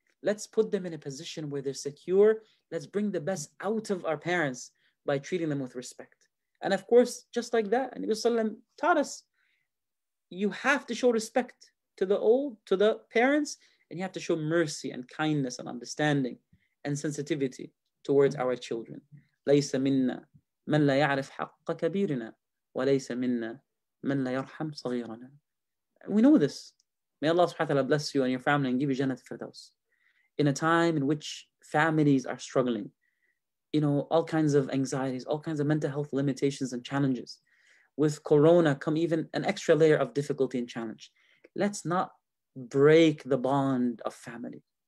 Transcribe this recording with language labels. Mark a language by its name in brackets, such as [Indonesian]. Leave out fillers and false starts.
[English] Let's put them in a position where they're secure. Let's bring the best out of our parents by treating them with respect. And of course, just like that, Nabi Sallallahu Alaihi Wasallam taught us, you have to show respect to the old, to the parents, and you have to show mercy and kindness and understanding and sensitivity towards our children. [Arabic] لَيْسَ مِنَّا مَنْ لَا يَعْرِفْ حَقَّ كَبِيرِنَا وَلَيْسَ مِنَّا مَنْ لَا يَرْحَمْ صَغِيرَنَا. [English] We know this. May Allah subhanahu wa ta'ala bless you and your family and give you Jannat al-Firdaus. In a time in which families are struggling, you know, all kinds of anxieties, all kinds of mental health limitations and challenges. With Corona come even an extra layer of difficulty and challenge. Let's not break the bond of family.